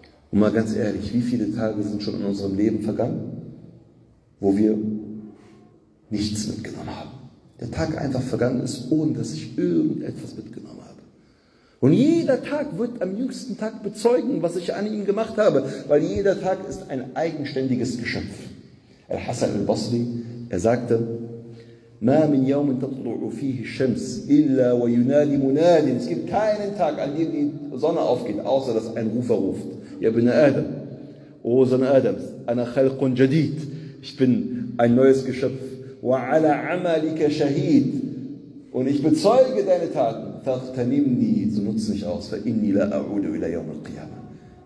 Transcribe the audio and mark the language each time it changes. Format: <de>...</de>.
<de>Und mal ganz ehrlich, wie viele Tage sind schon in unserem Leben vergangen, wo wir nichts mitgenommen haben. Der Tag einfach vergangen ist, ohne dass ich irgendetwas mitgenommen habe. Und jeder Tag wird am jüngsten Tag bezeugen, was ich an ihm gemacht habe, weil jeder Tag ist ein eigenständiges Geschöpf.</de> <ar>Al-Hasan al-Basri,</ar> <de>er sagte,</de> <ar>مَا مِنْ يَوْمٍ تَطْلُعُ فِيهِ الشَّمْسِ إِلَّا وَيُنَادِي مُنَادٍ.</ar> <de>Es gibt keinen Tag, an dem die Sonne aufgeht, außer dass ein Rufer ruft.</de> <ar>يَا بِنَا آدَمْ.</ar> <de>O Sohn Adams,</de> <ar>أَنَا خَلْقٌ جَدِيدٌ.</ar> <de>Ich bin ein neues Geschöpf.</de> <ar>وَعَلَى عَمَلِكَ شَهِيدٌ.</ar> <de>Und ich bezeuge deine Taten.</de> <ar>فَاغْتَنِمْنِي.</ar> <de>So nutze mich aus.</de> <ar>فَإِنِّي لَا أَعُودُ إِلَى يَوْمِ الْقِيَامَةِ.</ar>